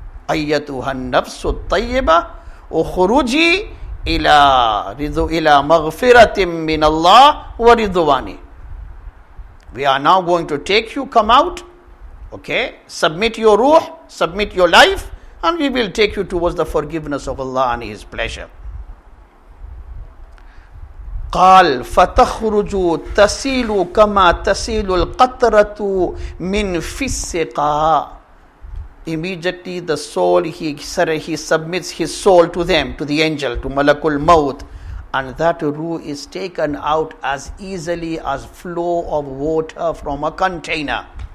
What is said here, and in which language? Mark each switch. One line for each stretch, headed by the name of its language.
Arabic: أيتها النفس الطيبة أخرجي إلى مغفرة من الله ورضواني.
English: We are now going to take you, come out, okay, submit your ruh, submit your life, and we will take you towards the forgiveness of Allah and His pleasure.
Arabic: قال فتخرج تسيل كما تسيل القطرة من في السقاء.
English: Immediately the soul, he submits his soul to them, to the angel, to Malakul Maut, and that ruh is taken out as easily as flow of water from a container.